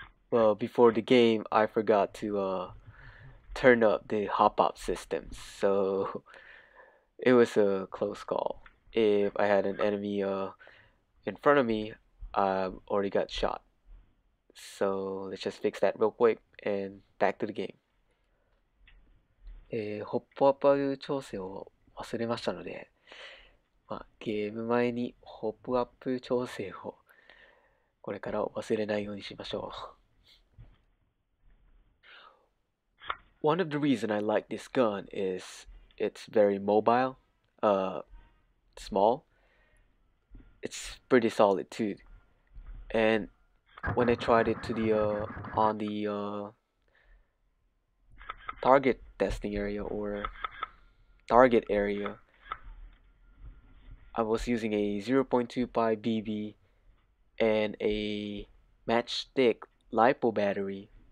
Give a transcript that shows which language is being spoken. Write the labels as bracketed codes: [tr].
[en] Well, before the game, I forgot to turn up the hop-up system, so it was a close call. If I had an enemy in front of me, I already got shot. So let's just fix that real quick and back to the game. [ja] ホップアップ調整を忘れましたので、まあ、ゲーム前にホップアップ調整をこれから忘れないようにしましょう。 [en] One of the reasons I like this gun is it's very mobile, small. It's pretty solid too. And when I tried it to the, on the, target testing area or target area, I was using a 0.25 BB and a matchstick LiPo battery.